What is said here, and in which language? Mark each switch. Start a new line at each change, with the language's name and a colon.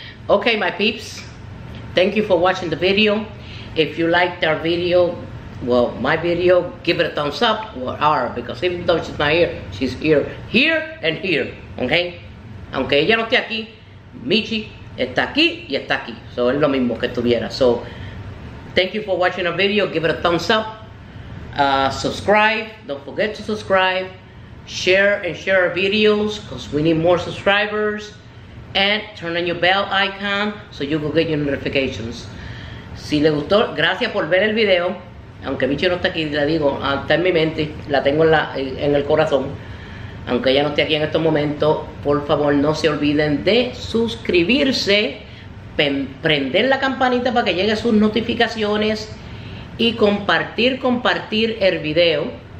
English: Okay, my peeps. Thank you for watching the video. If you liked our video, well, my video, give it a thumbs up, or our, because even though she's not here, she's here, here, and here, okay?
Spanish: Aunque ella no esté aquí, Michi está aquí y está aquí.
English: So,
Spanish: es lo mismo que estuviera.
English: So, thank you for watching our video. Give it a thumbs up. Subscribe. Don't forget to subscribe. Share and share our videos, because we need more subscribers. And turn on your bell icon so you can get your notifications.
Spanish: Si le gustó, gracias por ver el video. Aunque Michi no está aquí, la digo, está en mi mente, la tengo en el corazón. Aunque ella no esté aquí en estos momentos, por favor no se olviden de suscribirse, prender la campanita para que lleguen sus notificaciones y compartir el video.